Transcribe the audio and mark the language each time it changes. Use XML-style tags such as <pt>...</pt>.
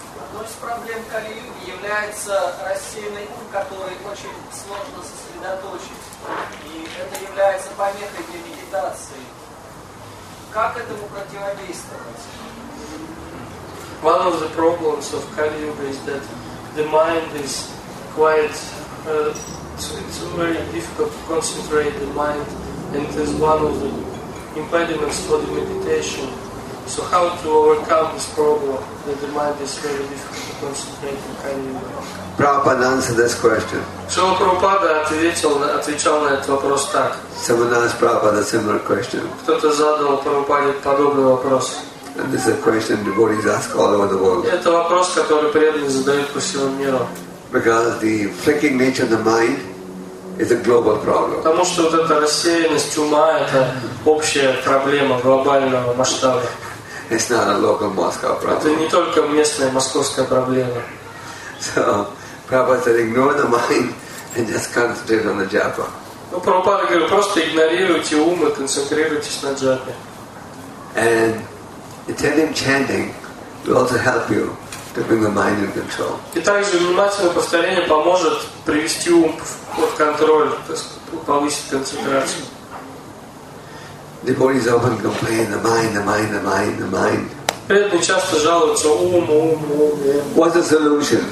<ru>Одной из проблем кали-юги является рассеянный ум, который очень сложно сосредоточить. И это является помехой для медитации. Как этому противодействовать?</ru> <en>One of the problems of kali-yuga is that the mind is quite... it's very difficult to concentrate the mind, and it is one of the impediments for the meditation. So how to overcome this problem that the mind is very difficult to concentrate in kali-yuga? Prabhupada answered this question.</en> <ru>Srila Prabhupada отвечал на этот вопрос так.</ru> <en>Someone asked Prabhupada a similar question.</en> <ru>Кто-то задал Прабхупаде подобный вопрос.</ru> <en>And this is a question devotees ask all over the world.</en> <ru>Это вопрос, который преданные задают по всему миру.</ru> <en>Because the flicking nature of the mind is a global problem.</en> <ru>Потому что вот эта рассеянность ума — это общая проблема глобального масштаба.</ru> <en>It's not a local Moscow problem.</en> <ru>Это не только местная московская проблема.</ru> <en>So, Prabhupada said, ignore the mind and just concentrate on the japa.</en> <ru>Ну, Прабхупада говорит, просто игнорируйте ум и концентрируйтесь на джапе.</ru> <en>And attentive chanting will also help you to bring the mind in control.</en> <ru>И также внимательное повторение поможет привести ум под контроль, то есть повысить концентрацию.</ru> <en>Devotees often complain, the mind.</en> <ru>Преданные часто жалуются, ум.</ru> <en>What's the solution?</en>